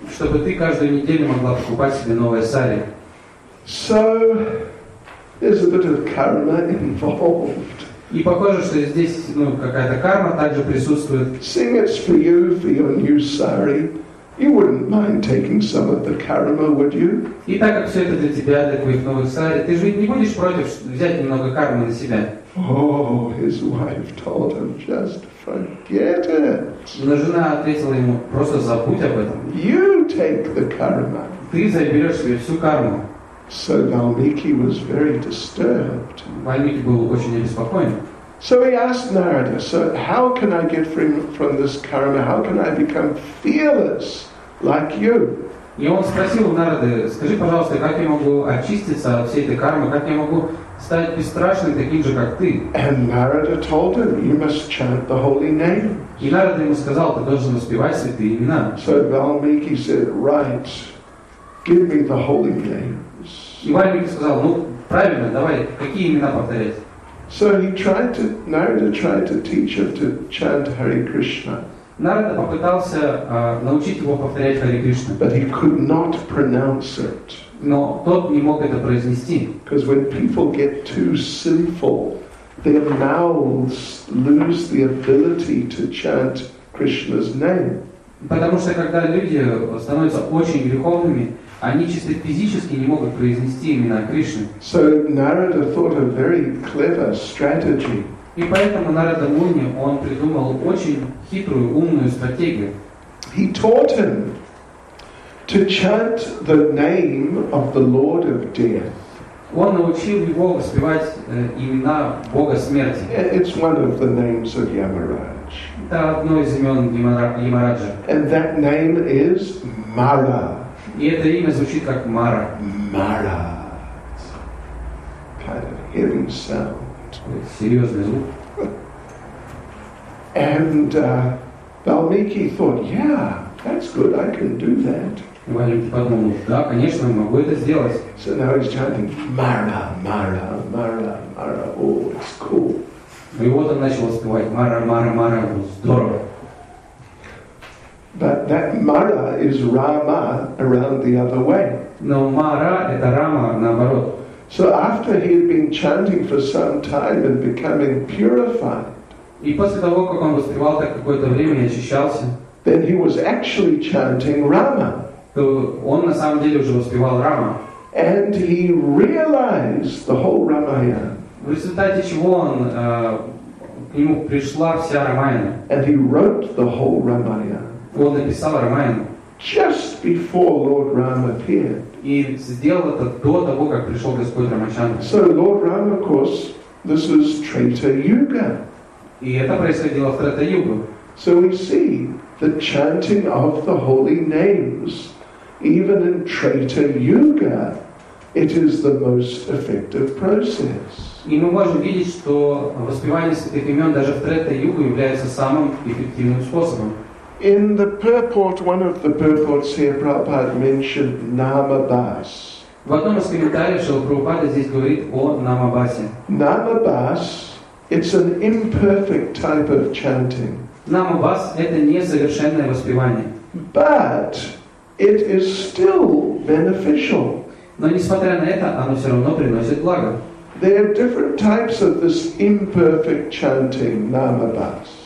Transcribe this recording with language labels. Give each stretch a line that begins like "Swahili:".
Russian: Чтобы ты каждую неделю могла покупать себе новое сари.
English: So there's a bit of karma involved.
Russian: И похоже, что здесь ну, какая-то карма также присутствует.
English: Seeing it's for your new sari, you wouldn't mind taking some of the karma, would you?
Russian: И так как все это для тебя, для твоих новых сари, ты же не будешь против взять немного кармы на себя?
English: Oh, his wife told him just. Forget it.
Russian: Но жена ответила ему, просто забудь об этом.
English: You take the karma.
Russian: Ты заберешь себе всю карму.
English: So Valmiki was very disturbed.
Russian: Valmiki был очень обеспокоен.
English: So he asked Narada, so how can I get free from this karma? How can I become fearless like you?
Russian: И он спросил у Нарады, скажи, пожалуйста, как я могу очиститься от всей этой кармы, как я могу стать бесстрашным, таким же, как ты?
English: And Narada told him, you must chant the holy name.
Russian: И Нарада ему сказал, ты должен воспевать святые имена.
English: So Valmiki said, right, give me the holy names.
Russian: И Валмики сказал, ну, правильно, давай, какие имена повторять?
English: So he tried to, Narada tried to teach him to chant Hare Krishna.
Russian: Нарада попытался научить его повторять Хари Кришна.
English: But he could not pronounce it.
Russian: Но тот не мог это произнести.
English: Because when people get too sinful, their mouths lose the ability to chant Krishna's name.
Russian: Потому что когда люди становятся очень греховными, они чисто физически не могут произнести имена Кришны.
English: So Narada thought a very clever strategy.
Russian: И поэтому Нарада Муни, он придумал очень хитрую, умную стратегию.
English: He taught him to chant the name of the Lord of Death.
Russian: Он научил его воспевать имена Бога Смерти.
English: It's one of the names of Yamaraj.
Russian: Это одно из имен Ямараджа.
English: And that name is Mara.
Russian: И это имя звучит как Мара.
English: Mara. Kind of heavy sound.
Russian: Серьезный звук.
English: And Valmiki thought, yeah, that's good, I can do that.
Russian: Валмики подумал, да, конечно, могу это сделать.
English: So now he's chanting, Mara, Mara, Mara, Mara, oh, it's cool.
Russian: И вот он начал воспевать, Mara, Mara, Mara, здорово.
English: But that Mara is Rama around the other way.
Russian: Но Mara это Рама наоборот.
English: So after he had been chanting for some time and becoming purified,
Russian: и после того, как он воспевал так какое-то время и очищался,
English: then he was actually chanting Rama.
Russian: То он на самом деле уже воспевал Рама.
English: And he realized the whole Ramayana.
Russian: В результате чего он к нему пришла вся Рамаяна.
English: And he wrote the whole Ramayana.
Russian: Он написал Рамаяну.
English: Just before Lord Rama appeared.
Russian: И сделал это до того, как пришел Господь Рамачандра.
English: So Lord Rama, of course, this is Treta Yuga.
Russian: И это происходило в Трета Югу.
English: So we see the chanting of the holy names, even in Treta Yuga, it is the most effective process.
Russian: И мы можем видеть, что воспевание святых имен даже в Трета Югу является самым эффективным способом.
English: In the purport, one of the purports here, Prabhupada mentioned Namabhas.
Russian: В одном из комментариев, что Прабхупада здесь говорит о Намабасе.
English: Namabhas, it's an imperfect type of chanting.
Russian: Namabhas – это несовершенное воспевание.
English: But it is still beneficial.
Russian: Но несмотря на это, оно все равно приносит благо.
English: There are different types of this imperfect chanting, Namabhas.